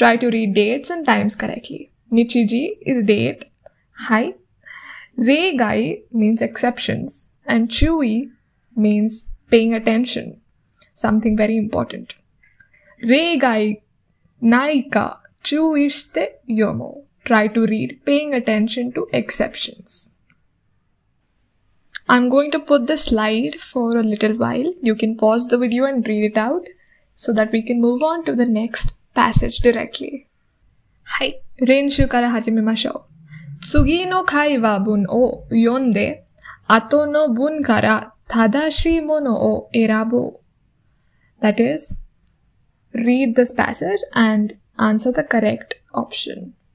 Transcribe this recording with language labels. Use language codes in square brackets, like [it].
[en] Try to read dates and times correctly. 日時 is date. はい。例外 means exceptions and 注意 means paying attention, something very important. [ja] 例外ないか注意して読もう。 [en] Try to read paying attention to exceptions. I'm going to put the slide for a little while. You can pause the video and read it out so that we can move on to the next passage directly. [ja] はい、練習から始めましょう。次の会話文を読んで、後の文から正しいものを選ぼう。 [en] That is, read this passage and answer the correct option.